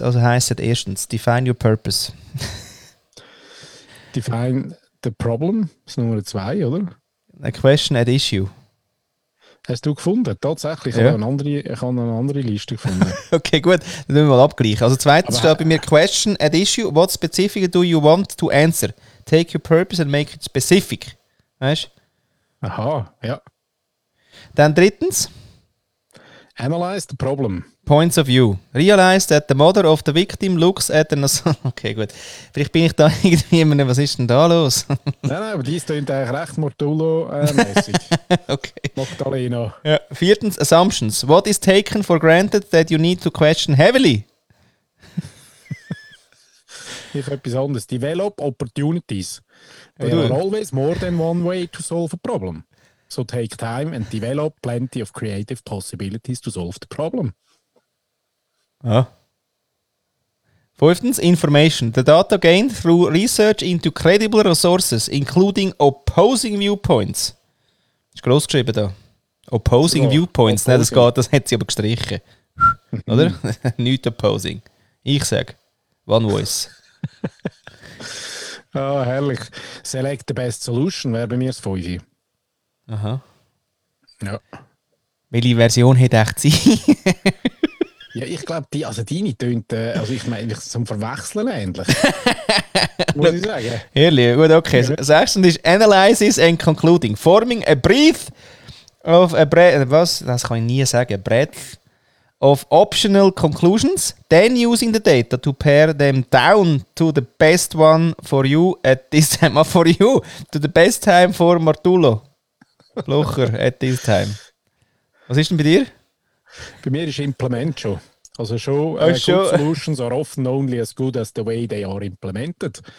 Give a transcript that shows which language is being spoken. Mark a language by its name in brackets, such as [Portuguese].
[German] Also heisst es erstens, [English] define your purpose. Define the problem, [German] ist Nummer zwei, oder? [English] A question at issue. [German] Hast du gefunden? Tatsächlich, ich habe eine andere Liste gefunden. Okay, gut, dann müssen wir mal abgleichen. Also zweitens steht bei mir, [English] question at issue, what specifically do you want to answer? Take your purpose and make it specific. [German] Weißt du? Aha, ja. Dann drittens. [English] Analyze the problem. Points of view. Realize that the mother of the victim looks at an... [German] Okay, gut. Vielleicht bin ich da irgendwie immer... Was ist denn da los? Nein, aber dies klingt eigentlich recht Martullo-mässig. Okay. Magdalena. Ja. Viertens. Assumptions. [English] What is taken for granted that you need to question heavily? [German] Ich etwas anderes. [English] Develop opportunities. There are always more than one way to solve a problem. So take time and develop plenty of creative possibilities to solve the problem. [German] Ja. Fünftens, information. [English] The data gained through research into credible resources, including opposing viewpoints. [German] Ist gross geschrieben da. [English] Opposing viewpoints. [German] Nein, das geht, das hat sie aber gestrichen. Oder? Nicht opposing. Ich sage, [English] one voice. [German] Ah, oh, herrlich. [English] Select the best solution [German] wäre bei mir das 5. Aha. Ja. Welche Version hätte echt sein? Ja, ich glaube, die, also deine tönt, also ich meine, zum Verwechseln endlich. Muss ich sagen. Herrlich, gut, okay. Ja. Sechstens ist [English] Analysis and Concluding. Forming a brief of a breath. [German] Was? Das kann ich nie sagen. [English] Breath. Of optional conclusions, then using the data to pare them down to the best one for you at this time. Or for you, to the best time for Martullo. [German] Blocher, [English] at this time. [German] Was ist denn bei dir? Bei mir ist Implement schon. Also schon, [English] good solutions are often only as good as the way they are implemented.